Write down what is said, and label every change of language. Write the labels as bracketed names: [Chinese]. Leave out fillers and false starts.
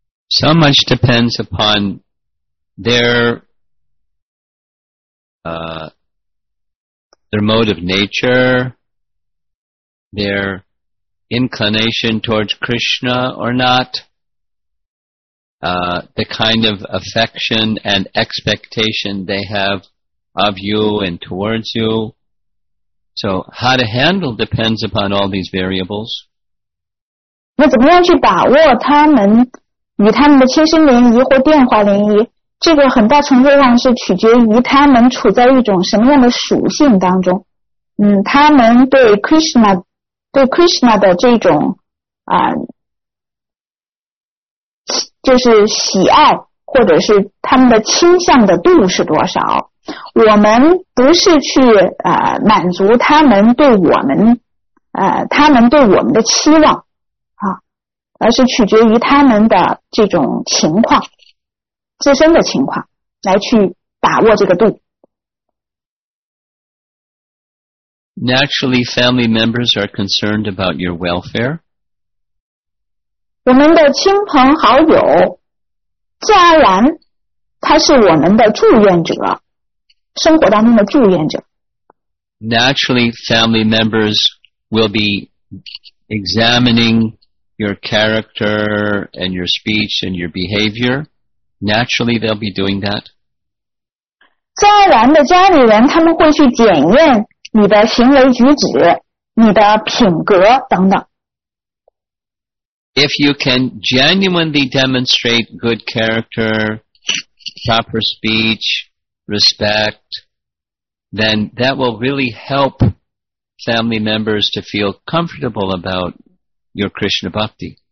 [English] So much depends upon their mode of nature, their inclination towards Krishna or not, the kind of affection and expectation they have of you and towards you. So how to handle depends upon all these variables. [Chinese] 那怎么样去把握他们与他们的亲身联谊或电话联谊？这个很大程度上是取决于他们处在一种什么样的属性当中。他们对 Krishna 的这种就是喜爱或者是他们的倾向的度是多少。我们不是去满足他们对我们他们对我们的期望啊，而是取决于他们的这种情况。自身的情况来去把握这个度。 [English] Naturally, family members are concerned about your welfare. [Chinese] 我们的亲朋好友，家人，他是我们的祝愿者，生活当中的祝愿者。 [English] Naturally, family members will be examining your character and your speech and your behavior. Naturally, they'll be doing that. [Chinese] 自然的家里人他们会去检验你的行为举止、你的品格等等。 [English] If you can genuinely demonstrate good character, proper speech, respect, then that will really help family members to feel comfortable about your Krishna bhakti.